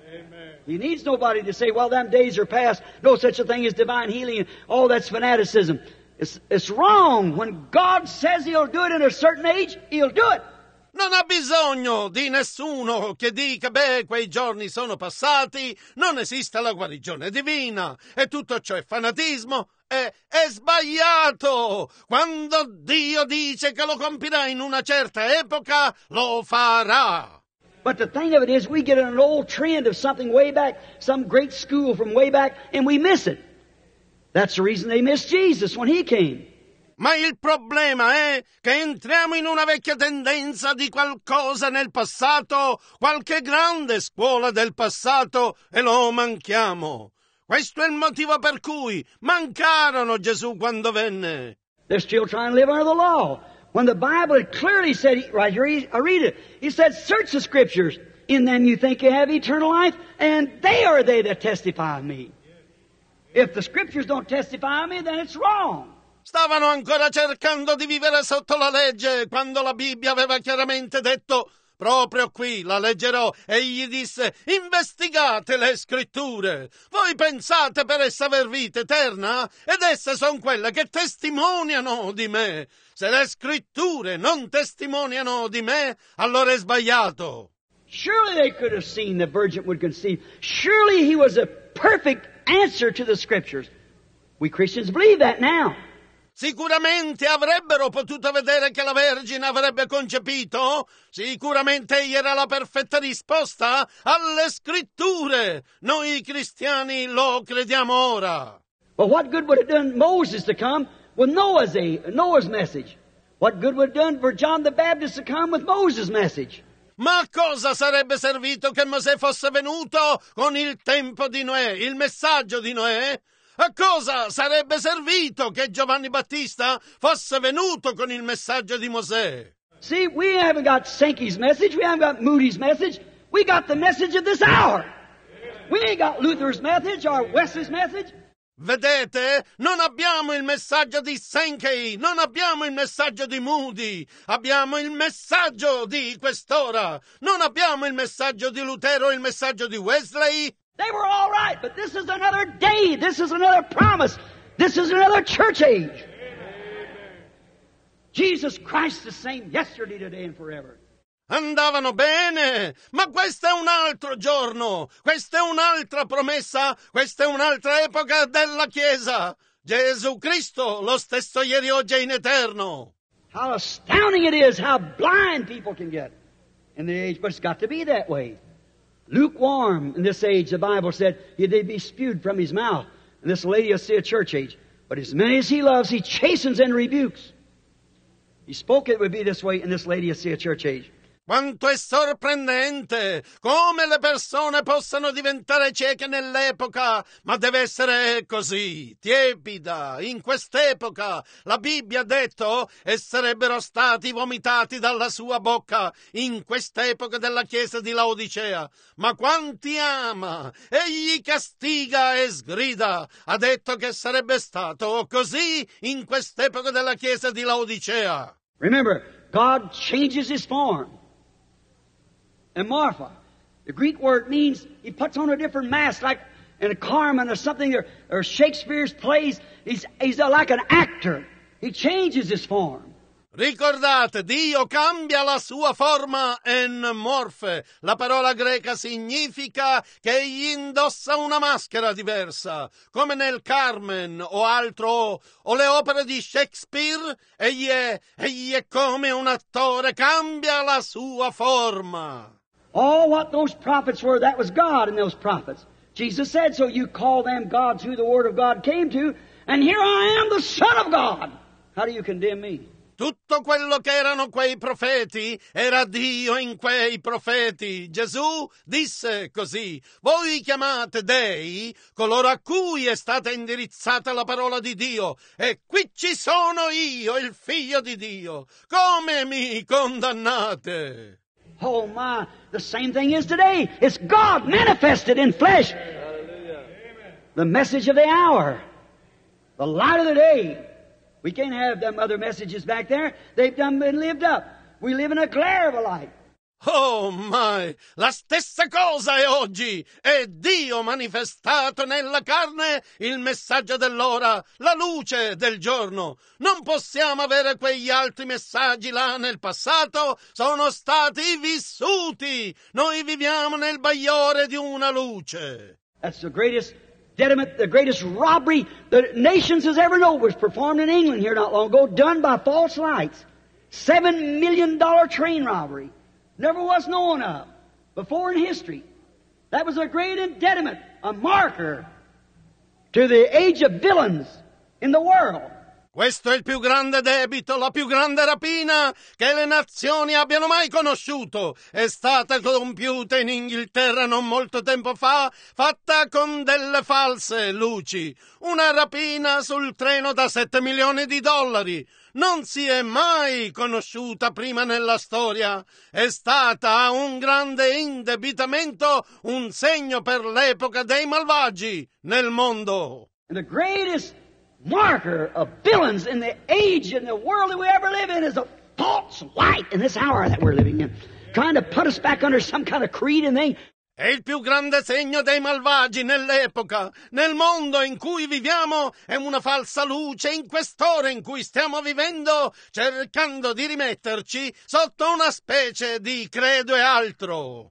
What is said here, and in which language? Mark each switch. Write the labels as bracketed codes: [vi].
[en] Amen. He needs nobody to say, well, them days are past, no such a thing as divine healing, all that's fanaticism. It's wrong. When God says He'll do it in a certain age, He'll do it. [it] Non ha bisogno di nessuno che dica, beh, quei giorni sono passati, non esiste la guarigione divina, e tutto ciò è fanatismo. È sbagliato. Quando Dio dice che lo compirà in una certa epoca, lo farà. [en] But the thing of it is, we get an old trend of something way back, some great school from way back, and we miss it. That's the reason they missed Jesus when he came. [it] Ma il problema è che entriamo in una vecchia tendenza di qualcosa nel passato, qualche grande scuola del passato, e lo manchiamo. Questo è il motivo per cui mancarono Gesù quando venne. [en] They're still trying to live under the law. When the Bible clearly said, right here, I read it. He said, search the scriptures. In them you think you have eternal life, and they are they that testify of me. If the scriptures don't testify of me, then it's wrong. [it] Stavano ancora cercando di vivere sotto la legge quando la Bibbia aveva chiaramente detto, proprio qui la leggerò, e gli disse, investigate le scritture. Voi pensate per essa aver vita eterna? Ed esse sono quelle che testimoniano di me. Se le scritture non testimoniano di me, allora è sbagliato. [en] Surely they could have seen the virgin would conceive. Surely he was a perfect answer to the scriptures. We Christians believe that now. [it] Sicuramente avrebbero potuto vedere che la Vergine avrebbe concepito. Sicuramente egli era la perfetta risposta alle scritture. Noi cristiani lo crediamo ora. [en] But what good would have done Moses to come with Noah's message? What good would have done for John the Baptist to come with Moses' message? [it] Ma cosa sarebbe servito che Mosè fosse venuto con il tempo di Noè, il messaggio di Noè? A cosa sarebbe servito che Giovanni Battista fosse venuto con il messaggio di Mosè? [en] See, we haven't got Sankey's message, we haven't got Moody's message. We got the message of this hour. We ain't got Luther's message or Wesley's message. [it] Vedete? Non abbiamo il messaggio di Sankey, non abbiamo il messaggio di Moody, abbiamo il messaggio di quest'ora. Non abbiamo il messaggio di Lutero, il messaggio di Wesley. [en] They were all right, but this is another day, this is another promise, this is another church age. Jesus Christ the same yesterday, today and forever. [it] Andavano bene, ma questo è un altro giorno, questa è un'altra promessa, questa è un'altra epoca della Chiesa. Gesù Cristo, lo stesso ieri, oggi e in eterno. [en] How astounding it is how blind people can get in the age, but it's got to be that way. Lukewarm in this age, the Bible said, he'd be spewed from his mouth. And this lady will see a church age, but as many as he loves, he chastens and rebukes. He spoke it would be this way, and this lady will see a church age. [it] Quanto è sorprendente come le persone possano diventare cieche nell'epoca, ma deve essere così, tiepida. In quest'epoca la Bibbia ha detto e sarebbero stati vomitati dalla sua bocca in quest'epoca della chiesa di Laodicea. Ma quanti ama, egli castiga e sgrida, ha detto che sarebbe stato così in quest'epoca della chiesa di Laodicea. [en] Remember, God changes his form. And Marfa, the Greek word means he puts on a different mask, like in a Carmen or something, or Shakespeare's plays. He's like an actor. He changes his form. [it] Ricordate, Dio cambia la sua forma en morfe. La parola greca significa che egli indossa una maschera diversa. Come nel Carmen o altro, o le opere di Shakespeare, egli è come un attore, cambia la sua forma. [en] All what those prophets were, that was God in those prophets. Jesus said, so you call them gods who the word of God came to, and here I am the Son of God. How do you condemn me? [it] Tutto quello che erano quei profeti era Dio in quei profeti. Gesù disse così, voi chiamate dei coloro a cui è stata indirizzata la parola di Dio, e qui ci sono io, il Figlio di Dio. Come mi condannate? [en] Oh my, the same thing is today. It's God manifested in flesh. Hallelujah. The message of the hour. The light of the day. We can't have them other messages back there. They've done been lived up. We live in a glare of a light. Oh my, [it] la stessa cosa è oggi. È Dio manifestato nella carne, il messaggio dell'ora, la luce del giorno. Non possiamo avere quegli altri messaggi là nel passato, sono stati vissuti. Noi viviamo nel bagliore di una luce. [en] That's the greatest detriment, the greatest robbery the nations has ever known was performed in England here not long ago, done by false lights. $7 million train robbery. Never was known of before in history. That was a great indictment, a marker to the age of villains in the world. [it] Questo è il più grande debito, la più grande rapina che le nazioni abbiano mai conosciuto. È stata compiuta in Inghilterra non molto tempo fa, fatta con delle false luci. Una rapina sul treno da [en] $7 million. [it] Non si è mai conosciuta prima nella storia. È stata un grande indebitamento, un segno per l'epoca dei malvagi nel mondo. [en] The greatest marker of villains in the age and the world that we ever live in is a false light in this hour that we're living in, trying to put us back under some kind of creed and thing. [it] È il più grande segno dei malvagi nell'epoca, nel mondo in cui viviamo, è una falsa luce in quest'ora in cui stiamo vivendo, cercando di rimetterci sotto una specie di credo e altro.